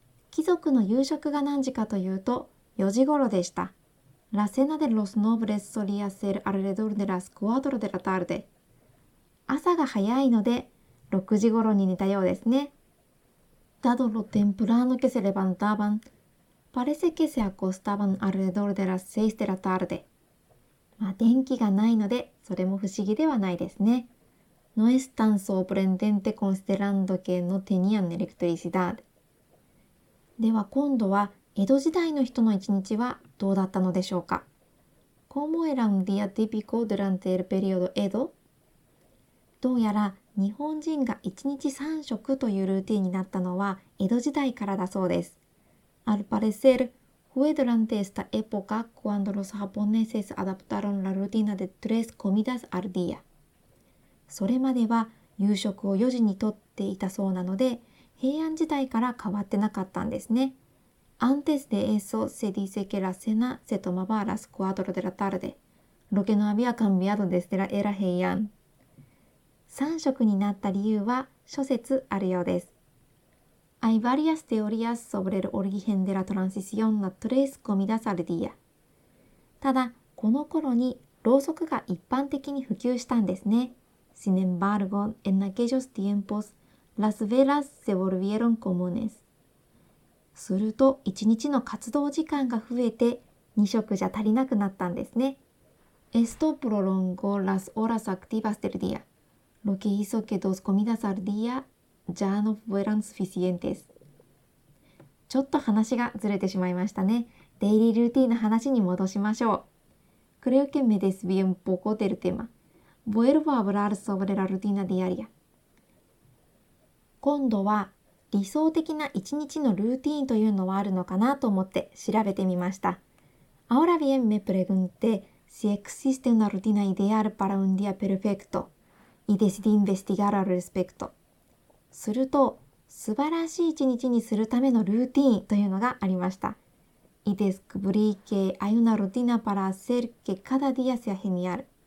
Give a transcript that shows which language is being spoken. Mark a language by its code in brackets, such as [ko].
[ja] 貴族の夕食が何時かというと、4時頃でした。 [es] La cena de los nobles solía ser alrededor de las 4 de la tarde. [ja] 朝が早いので、6時頃に寝たようですね。 [es] Dado lo temprano que se levantaban, parece que se acostaban alrededor de las 6 de la tarde. [ja] まあ、電気がないので、それも不思議ではないですね。 [es] No es tan sorprendente considerando que no tenían electricidad. [ja] では今度は、江戸時代の人の一日はどうだったのでしょうか。 [es] ¿Cómo era un día típico durante el periodo Edo? [ja] どうやら日本人が一日三食というルーティンになったのは江戸時代からだそうです。 [es] Al parecer, fue durante esta época cuando los japoneses adaptaron la rutina de tres comidas al día. [ja] それまでは夕食を4時にとっていたそうなので、平安時代から変わってなかったんですね。 [es] Antes de eso, se dice que la cena se tomaba a las 4 de la tarde, lo que no había cambiado desde la era Heian. [ja] 3食になった理由は諸説あるようです。 [es] Hay varias teorías sobre el origen de la transición a tres comidas al día. [ja] ただ、この頃にろうそくが一般的に普及したんですね。 [es] Sin embargo, en aquellos tiempos, las velas se volvieron comunes. [ja] すると、一日の活動時間が増えて、二食じゃ足りなくなったんですね。 [es] Esto prolongó las horas activas del día, lo que hizo que dos comidas al día ya no fueran suficientes. [ja] ちょっと話がずれてしまいましたね。デイリールーティーンの話に戻しましょう。 [es] Creo que me desvié un poco del tema. Vuelvo a hablar sobre la rutina diaria. [ja] 今度は、理想的な一日のルーティーンというのはあるのかなと思って調べてみました。 [es] Ahora bien me pregunté si existe una rutina ideal para un día perfecto y decidí investigar al respecto. [ja] すると、素晴らしい一日にするためのルーティーンというのがありました。 [es] Y descubrí que hay una rutina para hacer que cada día sea genial.